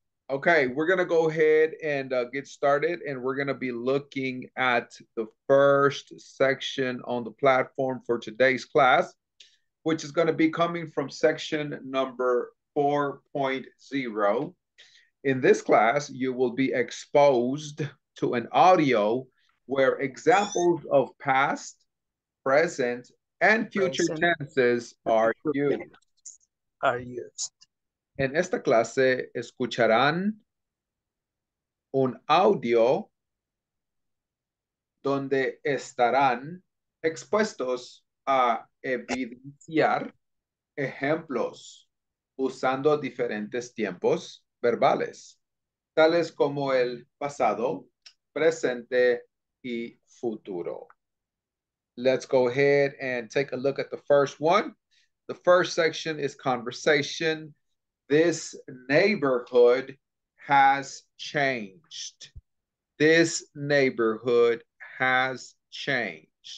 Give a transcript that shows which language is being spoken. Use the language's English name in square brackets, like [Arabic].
[English] Okay, we're going to go ahead and get started, and we're going to be looking at the first section on the platform for today's class, which is going to be coming from section number 4.0. In this class, you will be exposed to an audio where examples of past, present, and future tenses are used. [Spanish] En esta clase, escucharán un audio donde estarán expuestos a evidenciar ejemplos usando diferentes tiempos verbales, tales como el pasado, presente, y futuro. [English] Let's go ahead and take a look at the first one. The first section is conversation. This neighborhood has changed. This neighborhood has changed.